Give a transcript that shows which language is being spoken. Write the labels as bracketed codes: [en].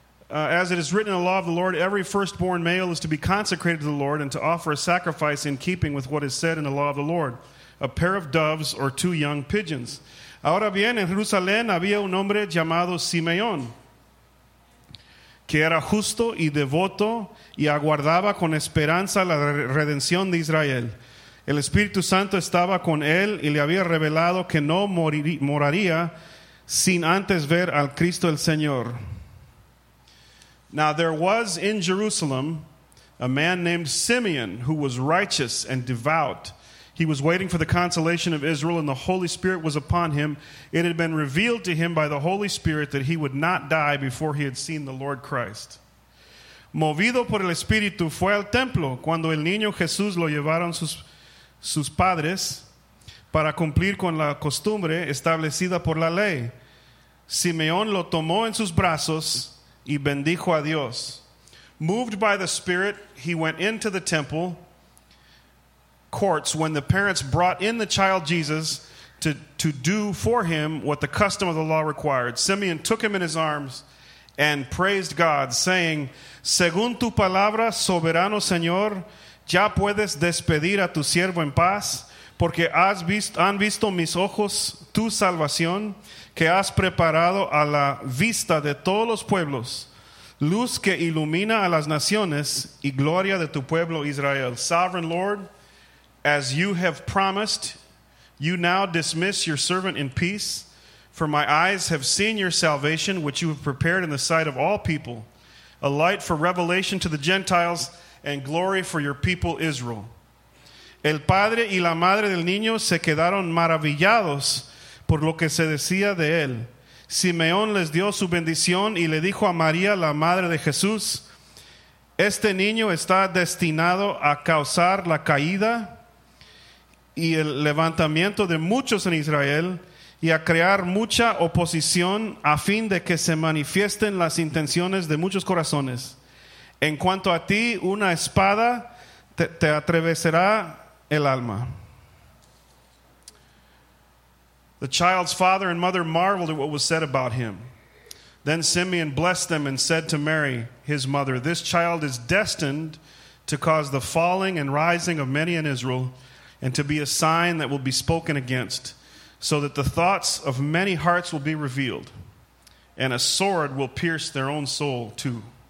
[en] As it is written in the law of the Lord, every firstborn male is to be consecrated to the Lord and to offer a sacrifice in keeping with what is said in the law of the Lord. A pair of doves or two young pigeons. [es] Ahora bien, en Jerusalén había un hombre llamado Simeón, que era justo y devoto y aguardaba con esperanza la redención de Israel. El Espíritu Santo estaba con él y le había revelado que no moraría sin antes ver al Cristo el Señor. [en] Now there was in Jerusalem a man named Simeon who was righteous and devout. He was waiting for the consolation of Israel, and the Holy Spirit was upon him. It had been revealed to him by the Holy Spirit that he would not die before he had seen the Lord Christ. [es] Movido por el Espíritu, fue al templo cuando el niño Jesús lo llevaron sus padres para cumplir con la costumbre establecida por la ley. Simeón lo tomó en sus brazos y bendijo a Dios. [en] Moved by the Spirit, he went into the temple courts when the parents brought in the child Jesus to do for him what the custom of the law required. Simeon took him in his arms and praised God, saying, [es] Según tu palabra, soberano Señor, ya puedes despedir a tu siervo en paz, porque han visto mis ojos tu salvación, que has preparado a la vista de todos los pueblos, luz que ilumina a las naciones y gloria de tu pueblo Israel. [en] Sovereign Lord, as you have promised, you now dismiss your servant in peace, for my eyes have seen your salvation, which you have prepared in the sight of all people, a light for revelation to the Gentiles and glory for your people Israel. [es] El padre y la madre del niño se quedaron maravillados por lo que se decía de él. Simeón les dio su bendición y le dijo a María, la madre de Jesús, Este niño está destinado a causar la caída y el levantamiento de muchos en Israel y a crear mucha oposición a fin de que se manifiesten las intenciones de muchos corazones. En cuanto a ti, una espada te atravesará el alma. [en] The child's father and mother marveled at what was said about him. Then Simeon blessed them and said to Mary, his mother, "This child is destined to cause the falling and rising of many in Israel, and to be a sign that will be spoken against, so that the thoughts of many hearts will be revealed, and a sword will pierce their own soul too."